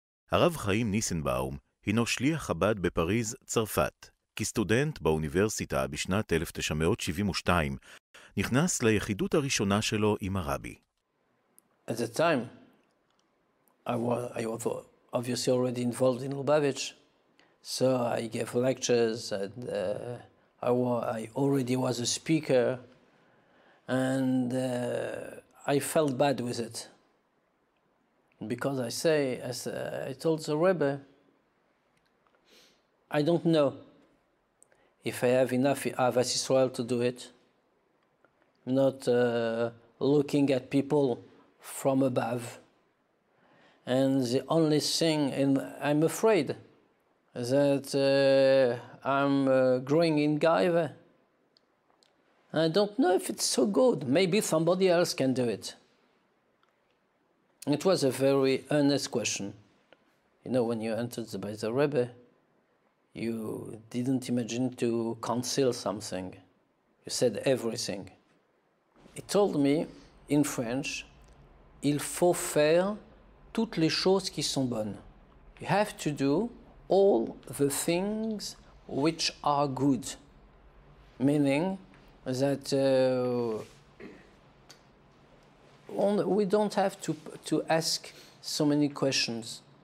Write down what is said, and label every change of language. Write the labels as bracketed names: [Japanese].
[Hebrew] הרב חיים ניסנבוים הינו שליח חב"ד בפריז, צרפת. כסטודנט באוניברסיטה בשנת 1972, נכנס ליחידות הראשונה שלו עם הרבי. [English] At the time, I was obviously already involved in Lubavitch, so I gave lectures, and I already was a speaker, and I felt bad with it. Because I told the Rebbe, I don't know if I have enough Avas Yisrael to do it, not looking at people from above. And the only thing, and I'm afraid that I'm growing in Gaiva. I don't know if it's so good. Maybe somebody else can do it. It was a very earnest question. You know, when you entered by the Rebbe, you didn't imagine to conceal something. You said everything. He told me in French, [French] il faut faire toutes les choses qui sont bonnes. [English] You have to do all the things which are good. Meaning that we don't have to ask so many questions.